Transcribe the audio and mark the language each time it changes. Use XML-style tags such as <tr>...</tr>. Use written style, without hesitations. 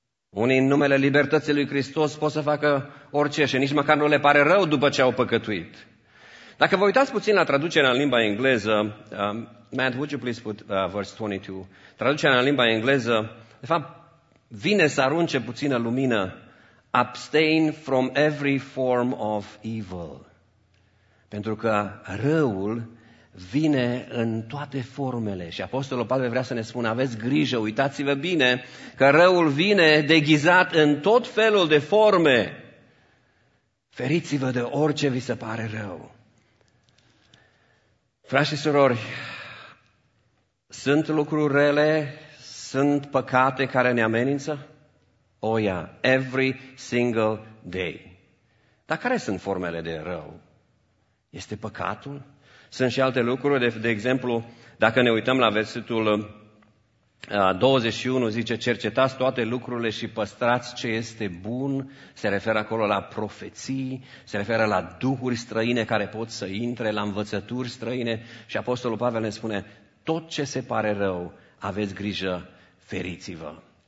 <ro>Unii în numele libertății lui Hristos pot să facă orice și nici măcar nu le pare rău după ce au păcătuit. Dacă vă uitați puțin la traducerea în limba engleză,</ro> <en>Matt, would you please put verse 22?</en> <ro>Traducerea în limba engleză, de fapt, vine să arunce puțină lumină.</ro> <en>Abstain from every form of evil.</en> <ro>Pentru că răul vine în toate formele. Și Apostolul Pavel vrea să ne spună, aveți grijă, uitați-vă bine, că răul vine deghizat în tot felul de forme. Feriți-vă de orice vi se pare rău. Frați și surori, sunt lucruri rele, sunt păcate care ne amenință?</ro> <en>Oh, yeah, every single day.</en> <ro>Dar care sunt formele de rău? Este păcatul? Sunt și alte lucruri, de exemplu, dacă ne uităm la versetul 21, zice, cercetați toate lucrurile și păstrați ce este bun, se referă acolo la profeții, se referă la duhuri străine care pot să intre, la învățături străine și Apostolul Pavel ne spune, tot ce se pare rău, aveți grijă, feriți-vă.</ro>